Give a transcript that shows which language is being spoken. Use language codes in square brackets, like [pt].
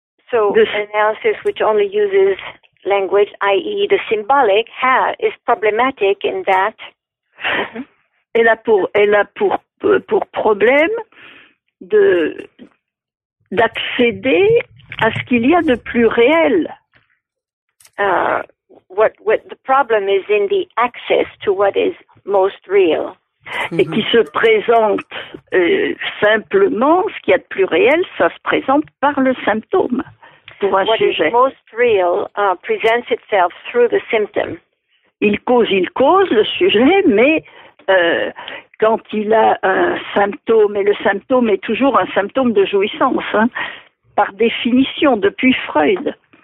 [en] So analysis which only uses language, i.e. the symbolic, is problematic in that. [fr] Elle a pour problème d'accéder à ce qu'il y a de plus réel. [en] What the problem is in the access to what is most real. Mm-hmm. [fr] Et qui se présente simplement, ce qu'il y a de plus réel, ça se présente par le symptôme, pour un [en] what [fr] sujet. [en] What is most real presents itself through the symptom. [fr] Il cause le sujet, mais quand il a un symptôme, et le symptôme est toujours un symptôme de jouissance, hein, par définition, depuis Freud.